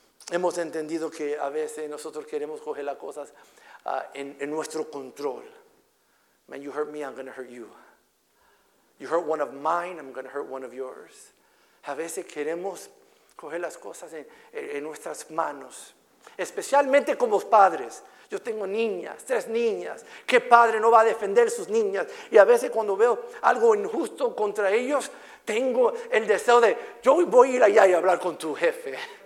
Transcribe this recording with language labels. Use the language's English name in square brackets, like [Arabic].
[Spanish] Hemos entendido que a veces nosotros queremos coger las cosas en nuestro control. [English] Man, you hurt me, I'm going to hurt you. You hurt one of mine, I'm going to hurt one of yours. [Spanish] A veces queremos coger las cosas en nuestras manos. Especialmente como padres. Yo tengo niñas, 3 niñas. ¿Qué padre no va a defender sus niñas? Y a veces cuando veo algo injusto contra ellos, tengo el deseo de, yo voy a ir allá y hablar con tu jefe.